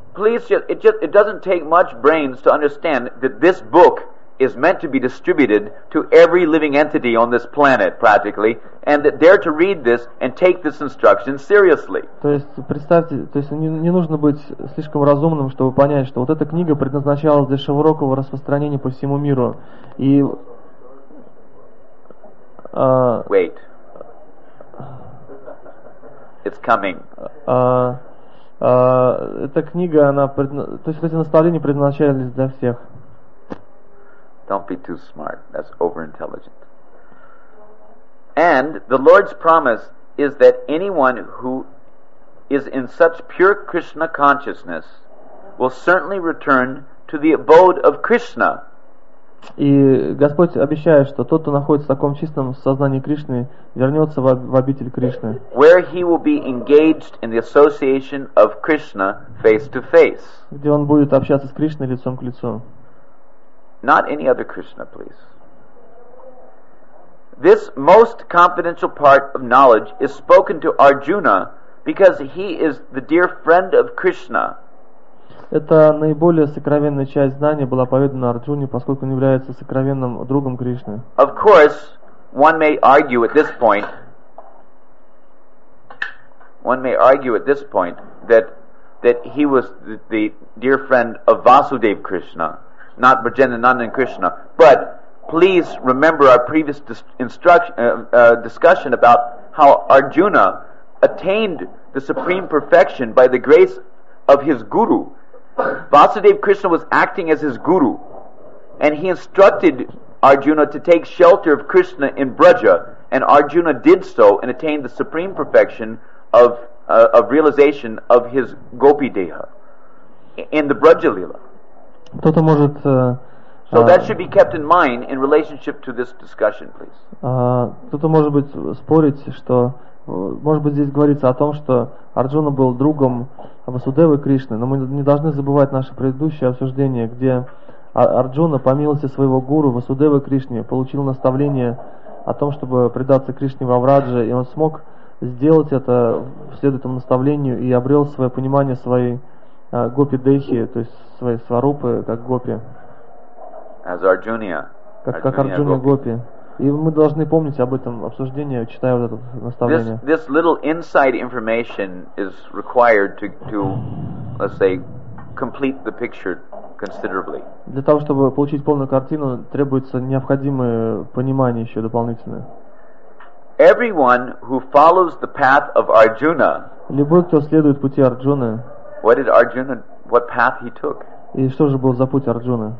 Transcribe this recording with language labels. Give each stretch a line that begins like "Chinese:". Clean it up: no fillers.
English: Please, it doesn't take much brains to understand that this book is meant to be distributed to every living entity on this planet, practically, and that they're to read this and take this instruction seriously.
Russian: То есть представьте, то есть не нужно быть слишком разумным, чтобы понять, что вот эта книга предназначалась для широкого распространения по всему миру. И
English: wait. It's coming.
Russian: Эта книга, она, то есть эти наставления предназначались для всех.
English: Don't be too smart. That's overintelligent. And the Lord's promise is that anyone who is in such pure Krishna consciousness will certainly return to the abode of Krishna.
Russian: И Господь обещает, что тот, кто находится в таком чистом сознании Кришны, вернется в обитель Кришны.
English: Where he will be engaged in the association of Krishna face to face.
Russian: Где он будет общаться с Кришной лицом к лицу.
English: Not any other Krishna, please. This most confidential part of knowledge is spoken to Arjuna because he is the dear friend of Krishna.
Russian: Это наиболее сокровенная часть знания была поведана Арджуне, поскольку он является сокровенным другом Кришны.
English: Of course, one may argue at this point. One may argue at this point that he was the dear friend of Vasudeva Krishna, not Vrijendranandan Krishna. But please remember our previous discussion about how Arjuna attained the supreme perfection by the grace of his guru. Vasudeva Krishna was acting as his guru, and he instructed Arjuna to take shelter of Krishna in Braja, and Arjuna did so and attained the supreme perfection of realization of his gopi deha in the Braja Lila.
Russian: Кто-то может,
English: so that should be kept in mind in relationship to this discussion, please.
Russian: Кто-то может быть спорить, что может быть здесь говорится о том, что Арджуна был другом Васудевы Кришны, но мы не должны забывать наше предыдущее обсуждение, где Арджуна, по милости своего гуру Васудевы Кришны, получил наставление о том, чтобы предаться Кришне во Врадже, и он смог сделать это вслед этому наставлению и обрел свое понимание своей гопи-дехи, то есть своей сварупы, как гопи.
English: As Arjuna.
Russian: Как Арджуна гопи. И мы должны помнить об этом обсуждении, читая вот это наставление.
English: This little inside information is required to, let's say, complete the picture considerably.
Russian: Для того, чтобы получить полную картину, требуется необходимое понимание еще дополнительное.
English: Everyone who follows the path of Arjuna.
Russian: Любой, кто следует пути Арджуны.
English: What did Arjuna? What path he took?
Russian: И что же был за путь Арджуны?